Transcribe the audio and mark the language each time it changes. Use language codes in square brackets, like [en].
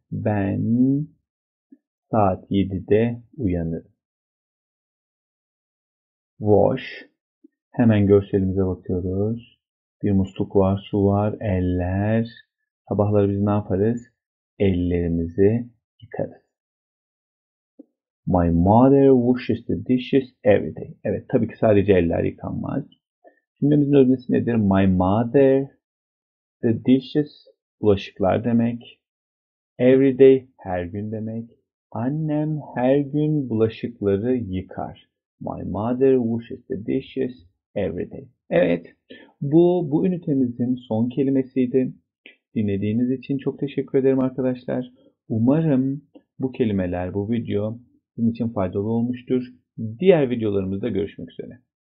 [tr] Ben saat 7'de uyanırım. Wash. Hemen görselimize bakıyoruz. Bir musluk var, su var, eller. Sabahları biz ne yaparız? Ellerimizi yıkarız. [en] My mother washes the dishes every day. [tr] Evet, tabii ki sadece eller yıkanmaz. Cümlemizin öznesi nedir? [en] My mother, the dishes, [tr] bulaşıklar demek. [en] Every day, [tr] her gün demek. Annem her gün bulaşıkları yıkar. [en] My mother washes the dishes every day. [tr] Evet, bu ünitemizin son kelimesiydi. Dinlediğiniz için çok teşekkür ederim arkadaşlar. Umarım bu kelimeler, bu video sizin için faydalı olmuştur. Diğer videolarımızda görüşmek üzere.